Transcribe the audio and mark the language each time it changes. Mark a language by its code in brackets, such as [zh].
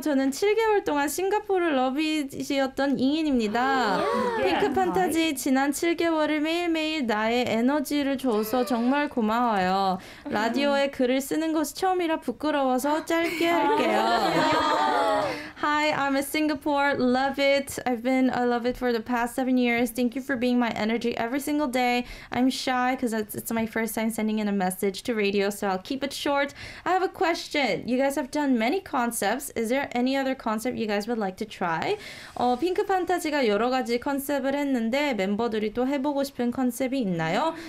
[ko] 저는 7개월 동안 싱가포르 러비시였던 잉인입니다. 핑크 판타지 지난 7개월을 매일매일 나의 에너지를 줘서 정말 고마워요. 라디오에 글을 쓰는 것이 처음이라 부끄러워서 짧게 할게요. [en] Hi, I'm a Singapore. Love it. I've been a Love It for the past 7 years. Thank you for being my energy every single day. I'm shy because it's my first time sending in a message to radio, so I'll keep it short. I have a question. You guys have done many concepts. Is there any other concept you guys would like to try? [ko] 핑크 판타지가 여러 가지 컨셉을 했는데 멤버들이 또 해보고 싶은 컨셉이 있나요?